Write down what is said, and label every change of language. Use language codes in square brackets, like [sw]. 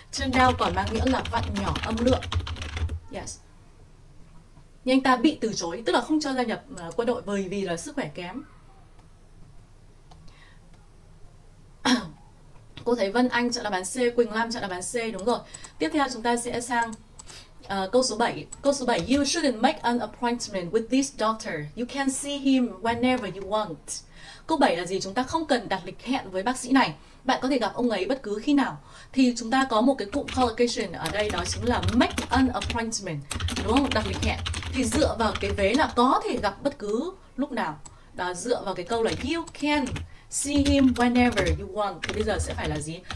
[vi] Turn down còn mang nghĩa là vặn nhỏ âm lượng. Yes. Nhưng anh ta bị từ chối, tức là không cho gia nhập quân đội bởi vì là sức khỏe kém. Cô thấy Vân Anh chọn đáp án C, Quỳnh Lam chọn đáp án C, đúng rồi. Tiếp theo chúng ta sẽ sang câu số 7. Câu số 7, [en] you shouldn't make an appointment with this doctor. You can see him whenever you want. [vi] Câu 7 là gì? Chúng ta không cần đặt lịch hẹn với bác sĩ này. Bạn có thể gặp ông ấy bất cứ khi nào. Thì chúng ta có một cái cụm collocation ở đây, đó chính là make an appointment, đúng không? Đặt lịch hẹn. Thì dựa vào cái vế là có thể gặp bất cứ lúc nào. Đó, dựa vào cái câu là [en] you can see him whenever you want. [vi] Thì bây giờ sẽ phải là gì?